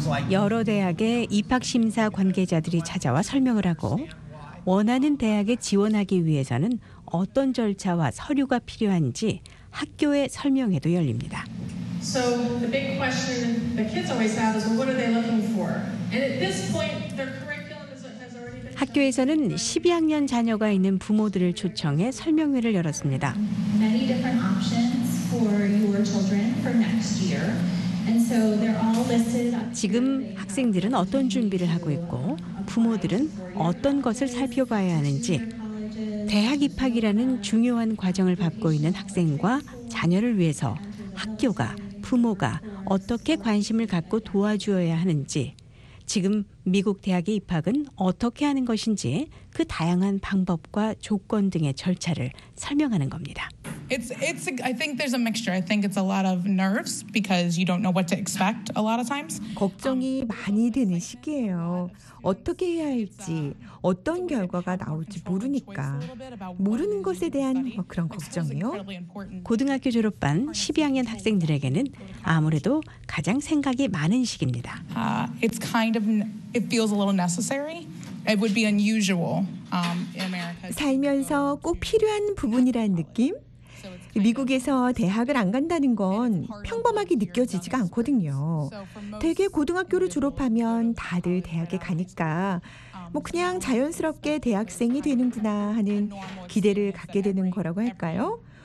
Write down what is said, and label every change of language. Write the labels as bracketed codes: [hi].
[ko] 여러 대학의 입학심사 관계자들이 찾아와 설명을 하고 원하는 대학에 지원하기 위해서는 어떤 절차와 서류가 필요한지 학교의 설명회도 열립니다. [en] So the big question the kids always have is, what are they looking for? And at this point, their curriculum has already been. [ko] 학교에서는 12학년 자녀가 있는 부모들을 초청해 설명회를 열었습니다. [en] Many different options for your children for next year, and so they're all listed. [ko] 지금 학생들은 어떤 준비를 하고 있고 부모들은 어떤 것을 살펴봐야 하는지. 대학 입학이라는 중요한 과정을 밟고 있는 학생과 자녀를 위해서 학교가 부모가 어떻게 관심을 갖고 도와주어야 하는지, 지금 미국 대학의 입학은 어떻게 하는 것인지 그 다양한 방법과 조건 등의 절차를 설명하는 겁니다. [en] It's I think there's a mixture. I think it's a lot of nerves because you don't know what to expect a lot of times. [ko] 걱정이 많이 되는 시기예요. 어떻게 해야 할지, 어떤 결과가 나올지 모르니까. 모르는 것에 대한 그런 걱정이요. 고등학교 졸업반 12학년 학생들에게는 아무래도 가장 생각이 많은 시기입니다. [en] It's kind of it feels a little necessary. It would be unusual in America. [ko] 살면서 꼭 필요한 부분이라는 느낌? 미국에서 대학을 안 간다는 건 평범하게 느껴지지가 않거든요. 대개 고등학교를 졸업하면 다들 대학에 가니까 뭐 그냥 자연스럽게 대학생이 되는구나 하는 기대를 갖게 되는 거라고 할까요?